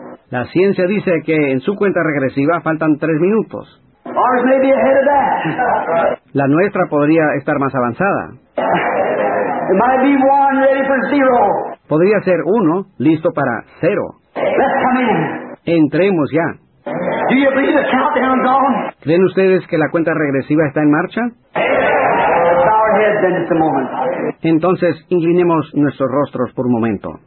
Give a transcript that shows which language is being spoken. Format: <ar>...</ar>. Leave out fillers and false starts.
<es>La ciencia dice que en su cuenta regresiva faltan 3 minutos.</es> <en>Ours may be ahead of that.</en> <es>La nuestra podría estar más avanzada.</es> <en>It might be one ready for zero.</en> <es>Podría ser 1 listo para 0.</es> <en>Let's come in.</en> <es>Entremos ya.</es> <en>Do you believe the countdown's on?</en> <es>¿Creen ustedes que la cuenta regresiva está en marcha?</es> <en>Bow our heads then just a moment.</en> <es>Entonces, inclinemos nuestros rostros por un momento.</es>